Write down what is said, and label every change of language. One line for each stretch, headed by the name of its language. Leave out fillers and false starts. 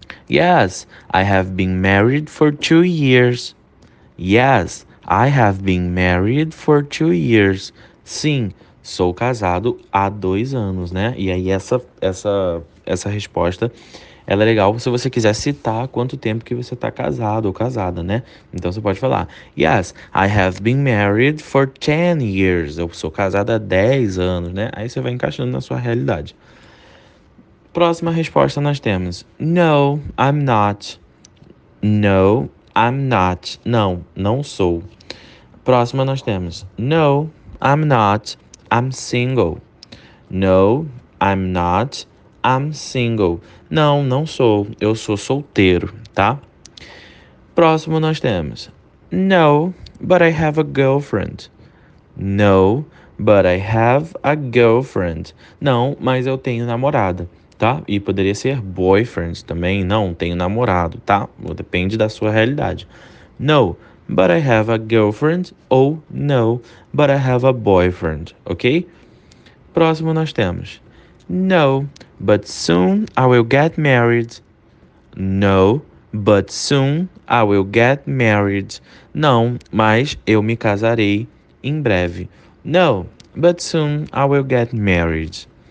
English: Yes, I have been married for 2 years. Yes, I have been married for 2 years.
Portuguese: Sim, sou casado há 2 anos, né? E aí essa resposta... ela é legal se você quiser citar quanto tempo que você está casado ou casada, né? Então, você pode falar.
English: Yes, I have been married for 10 years.
Portuguese: Eu sou casada há 10 anos, né? Aí você vai encaixando na sua realidade. Próxima resposta nós temos.
English: No, I'm not. No, I'm not.
Portuguese: Não, não sou. Próxima nós temos.
English: No, I'm not. I'm single. No, I'm not. I'm single.
Portuguese: Não, não sou. Eu sou solteiro, tá? Próximo nós temos.
English: No, but I have a girlfriend. No, but I have a girlfriend.
Portuguese: Não, mas eu tenho namorada, tá? E poderia ser boyfriend também. Não, tenho namorado, tá? Depende da sua realidade.
English: No, but I have a girlfriend. Ou no, but I have a boyfriend, ok?
Portuguese: Próximo nós temos.
English: No, but soon I will get married. No, but soon I will get married.
Portuguese: Não, mas eu me casarei em breve.
English: No, but soon I will get married.